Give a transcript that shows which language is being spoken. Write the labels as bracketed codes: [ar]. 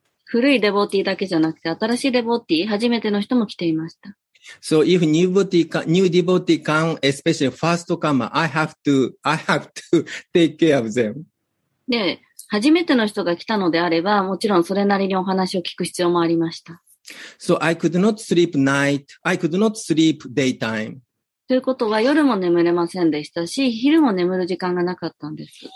[ja] 古いデボーティーだけじゃなくて、新しいデボーティー、初めての人も来ていました。 [en] So if new devotee come, especially first comer, I have to take care of them. [ja] で、初めての人が来たのであれば、もちろんそれなりにお話を聞く必要もありました。 [en] So I could not sleep night, I could not sleep daytime. [ja] ということは夜も眠れませんでしたし、昼も眠る時間がなかったんです。